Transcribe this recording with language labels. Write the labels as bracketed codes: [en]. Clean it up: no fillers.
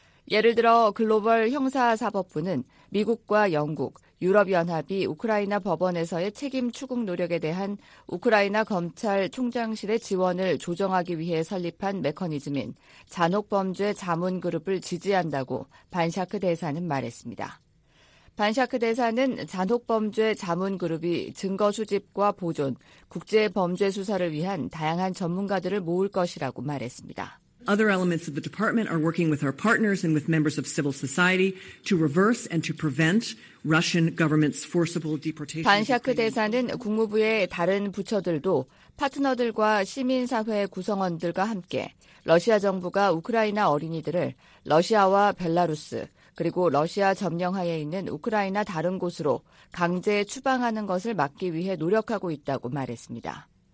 [ko] 예를 들어 글로벌 형사사법부는 미국과 영국, 유럽연합이 우크라이나 법원에서의 책임 추궁 노력에 대한 우크라이나 검찰 총장실의 지원을 조정하기 위해 설립한 메커니즘인 잔혹범죄 자문그룹을 지지한다고 반샤크 대사는 말했습니다. 반샤크 대사는 잔혹범죄 자문그룹이 증거 수집과 보존, 국제범죄 수사를 위한 다양한 전문가들을 모을 것이라고 말했습니다. [en] Other elements of the department are working with our partners and with members of civil society to reverse and to prevent Russian government's forcible deportation. [ko] 반샤크 대사는 국무부의 다른 부처들도 파트너들과 시민사회 구성원들과 함께 러시아 정부가 우크라이나 어린이들을 러시아와 벨라루스 그리고 러시아 점령하에 있는 우크라이나 다른 곳으로 강제 추방하는 것을 막기 위해 노력하고 있다고 말했습니다.